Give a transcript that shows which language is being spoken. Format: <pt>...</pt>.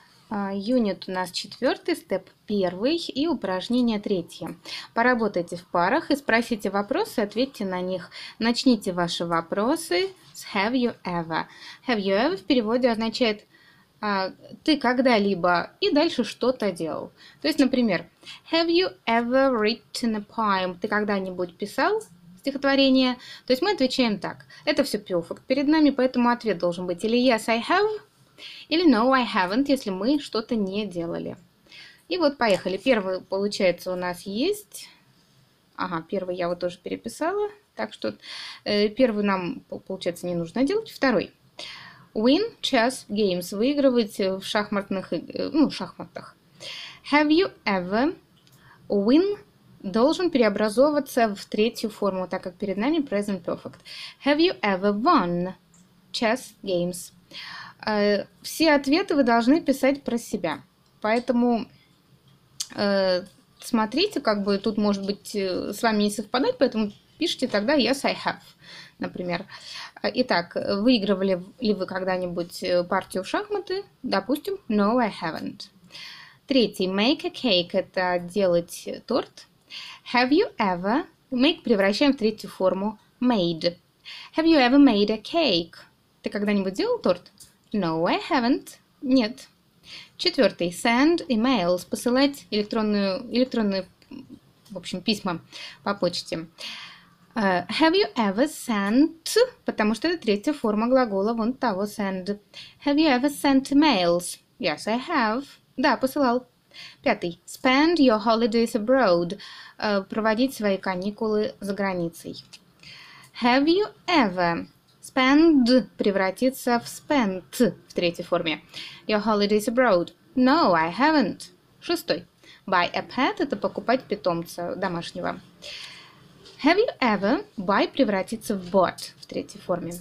<ru>Юнит у нас 4, степ 1 и упражнение 3. Поработайте в парах и спросите вопросы, ответьте на них. Начните ваши вопросы с</ru> <en>have you ever. Have you ever</en> <ru>в переводе означает ты когда-либо и дальше что-то делал. То есть, например,</ru> <en>have you ever written a poem?</en> <ru>Ты когда-нибудь писал стихотворение? То есть мы отвечаем так. Это все перфект перед нами, поэтому ответ должен быть или</ru> <en>yes, I have,</en> <ru>или</ru> <en>no, I haven't,</en> <ru>если мы что-то не делали. И вот поехали. Первый, получается, у нас есть. Ага, первый я вот тоже переписала. Так что первый нам, получается, не нужно делать. Второй.</ru> <en>Win chess games.</en> <ru>Выигрывать в шахматных, ну, шахматах.</ru> <en>Have you ever win</en> <ru>должен преобразовываться в третью форму, так как перед нами present perfect.</ru> <en>Have you ever won chess games?</en> <ru>Все ответы вы должны писать про себя. Поэтому смотрите, как бы тут может быть с вами не совпадать, поэтому пишите тогда</ru> <en>yes, I have,</en> <ru>например. Итак, выигрывали ли вы когда-нибудь партию в шахматы? Допустим,</ru> <en>no, I haven't.</en> <ru>Третий,</ru> <en>make a cake,</en> <ru>это делать торт.</ru> <en>Have you ever, make</en> <ru>превращаем в третью форму,</ru> <en>made. Have you ever made a cake?</en> <ru>Ты когда-нибудь делал торт?</ru> <en>No, I haven't.</en> <ru>Нет. Четвертый.</ru> <en>Send emails.</en> <ru>Посылать электронные, в общем, письма по почте.</ru> <en>Have you ever sent,</en> <ru>потому что это третья форма глагола вон того, send.</ru> <en>Have you ever sent emails? Yes, I have.</en> <ru>Да, посылал. Пятый.</ru> <en>Spend your holidays abroad.</en> <ru>Проводить свои каникулы за границей.</ru> <en>Have you ever spend</en> <ru>превратиться в spent в третьей форме.</ru> <en>Your holidays abroad. No, I haven't.</en> <ru>Шестой.</ru> <en>Buy a pet</en> <ru>– это покупать питомца домашнего.</ru> <en>Have you ever buy</en> <ru>превратиться в bought в третьей форме.</ru>